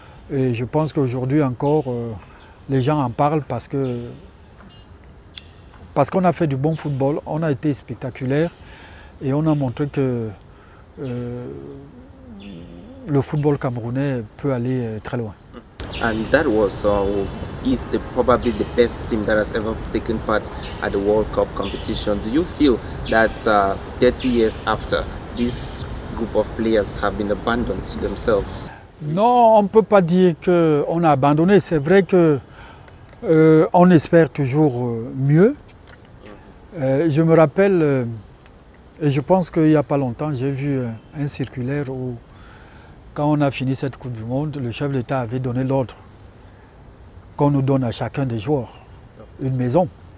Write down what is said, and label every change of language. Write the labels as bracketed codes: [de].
[fr] Et je pense qu'aujourd'hui encore, les gens en parlent parce qu'on a fait du bon football, on a été spectaculaire et on a montré que le football camerounais peut aller très loin. [en] And that was is the probably the best team that has ever taken part at the World Cup competition. Do you feel that 30 years after, this group of players have been abandoned to themselves? [fr] Non, on ne peut pas dire qu'on a abandonné. C'est vrai que on espère toujours mieux. Je me rappelle, et je pense qu'il n'y a pas longtemps, j'ai vu un circulaire où, quand on a fini cette Coupe du Monde, le chef d'État avait donné l'ordre qu'on nous donne à chacun des joueurs une maison.